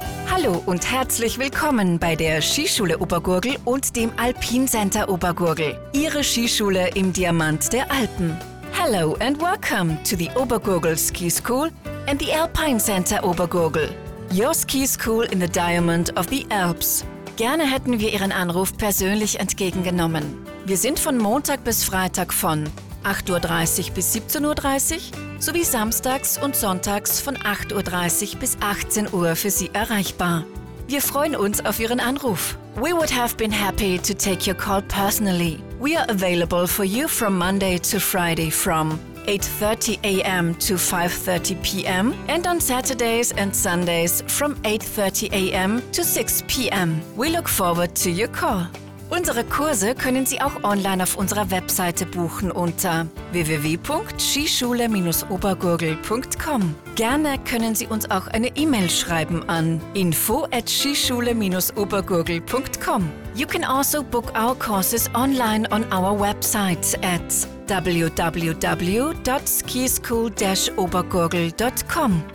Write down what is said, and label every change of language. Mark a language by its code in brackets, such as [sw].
[de] Hallo und herzlich willkommen bei der Skischule Obergurgl und dem Alpincenter Obergurgl, Ihre Skischule im Diamant der Alpen. [en] Hello and welcome to the Obergurgl Ski School and the Alpine Center Obergurgl, your ski school in the Diamond of the Alps. [de] Gerne hätten wir Ihren Anruf persönlich entgegengenommen. Wir sind von Montag bis Freitag von 8.30 Uhr bis 17.30 Uhr sowie samstags und sonntags von 8.30 Uhr bis 18 Uhr für Sie erreichbar. Wir freuen uns auf Ihren Anruf. [en] We would have been happy to take your call personally. We are available for you from Monday to Friday from 8:30 a.m. to 5:30 p.m. and on Saturdays and Sundays from 8:30 a.m. to 6 p.m. We look forward to your call. [de] Unsere Kurse können Sie auch online auf unserer Webseite buchen unter www.skischule-obergurgl.com. Gerne können Sie uns auch eine E-Mail schreiben an info@skischule-obergurgl.com. [en] You can also book our courses online on our website at www.skischool-obergurgl.com.